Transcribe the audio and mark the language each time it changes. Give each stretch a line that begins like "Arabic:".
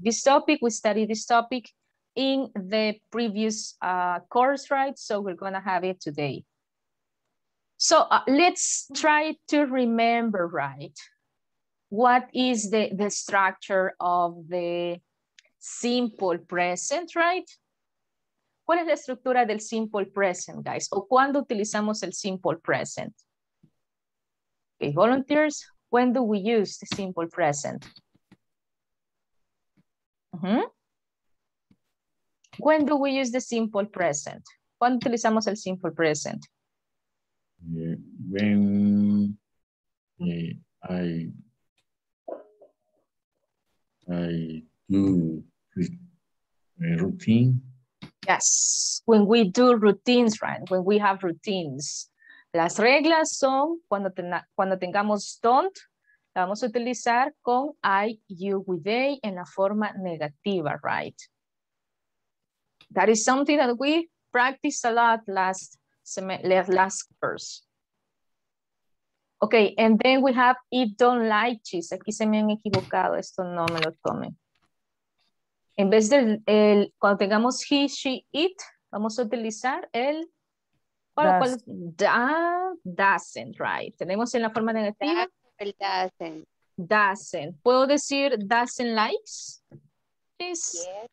English: This topic, we studied this topic in the previous course, right? So we're gonna have it today. So let's try to remember, right? What is the structure of the simple present, right?
Spanish: ¿Cuál es la estructura del simple present, guys? ¿O cuándo utilizamos el
English: simple present? Okay, volunteers, when do we use the simple present? Uh-huh. When do we use the simple present?
Spanish: ¿Cuándo utilizamos el simple present?
English: Yeah, when I do a routine. Yes, when we do routines, right? When we have routines.
Spanish: Las reglas son cuando tengamos don't, la vamos a utilizar con I, you, we, they en la forma negativa, right?
English: That is something that we practiced a lot last course. Okay, and then we have if don't like cheese.
Spanish: Aquí se me han equivocado, esto no me lo tomen. En vez del, el, cuando tengamos he, she, it, vamos a utilizar el...
English: Does.
Spanish: Doesn't, right? Tenemos en la forma negativa. El doesn't.
English: Doesn't.
Spanish: ¿Puedo decir
English: doesn't likes? Yes.